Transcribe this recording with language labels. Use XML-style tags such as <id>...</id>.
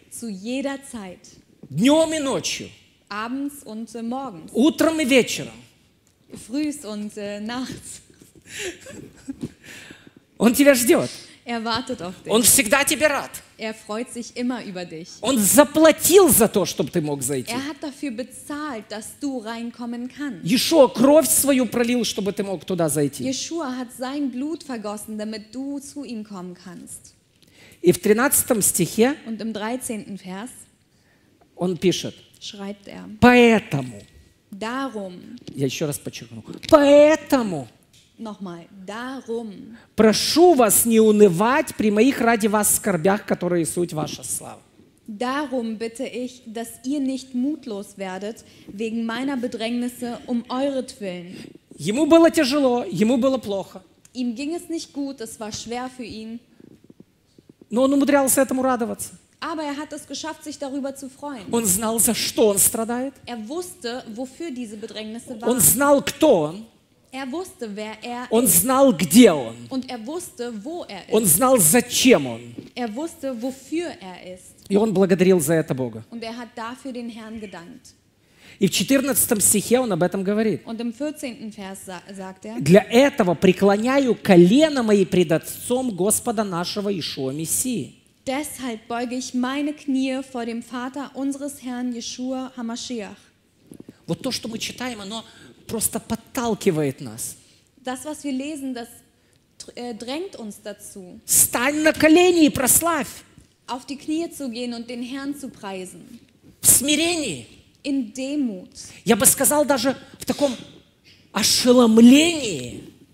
<de>Zu jeder Zeit.</de> <ru>Днем и ночью.</ru> <de>Abends und morgens.</de> <ru>Утром и вечером.</ru> <de>Frühs und nachts.</de> <ru>Он тебя ждет.</ru> <de>Er wartet auf dich.</de> <ru>Он всегда тебе рад.</ru> <de>Er freut sich immer über dich.</de> <ru>Он заплатил за то, чтобы ты мог зайти.</ru> <de>Er hat dafür bezahlt, dass du reinkommen kannst.</de> <ru>Иешуа кровь свою пролил, чтобы ты мог туда зайти.</ru> <de>Иешуа hat sein Blut vergossen, damit du zu ihm kommen kannst.</de> <ru>И в 13 стихе</ru> <de>und im 13. Vers</de> <ru>он пишет,</ru> <de>schreibt er,</de> <ru>поэтому,</ru> <de>darum,</de> <ru>я еще раз подчеркну, поэтому,</ru> <de>nochmal, darum,</de> <ru>прошу вас не унывать при моих ради вас скорбях, которые суть ваша слава.</ru> <de>Darum bitte ich, dass ihr nicht mutlos werdet wegen meiner Bedrängnisse um euretwillen.</de> <ru>Ему было тяжело, ему было плохо.</ru> <de>Ihm ging es nicht gut, es war schwer für ihn.</de> <ru>Но он умудрялся этому радоваться.</ru> <de>Aber er hat es geschafft, sich darüber zu freuen.</de> <ru>Он знал, за что он страдает.</ru> <de>Er wusste, wofür diese Bedrängnisse waren.</de> <ru>Он знал, кто он.</ru> <de>Er wusste, wer er ist.</de> <ru>Он знал, где он.</ru> <de>Und er wusste, wo er ist.</de> <ru>Он знал, зачем он.</ru> <de>Er wusste, wofür er ist.</de> <ru>И он благодарил за это Бога.</ru> <de>Und er hat dafür den Herrn gedankt.</de> <ru>И в 14 стихе он об этом говорит.</ru> <de>Und im 14. Vers sagt er,</de> <ru>для этого преклоняю колено мои пред Отцом Господа нашего Иешуа Мессии.</ru> <de>Deshalb beuge ich meine Knie vor dem Vater unseres Herrn Yeshua HaMashiach.</de> <ru>Вот то, что мы читаем, оно просто подталкивает нас.</ru> <de>Das, was wir lesen, das drängt uns dazu.</de> <ru>Стань на колени и прославь.</ru> <de>Auf die Knie zu gehen und den Herrn zu preisen.</de> <ru>В смирении.</ru> <de>In Demut.</de> <ru>Я бы сказал, даже в таком ошеломлении.</ru>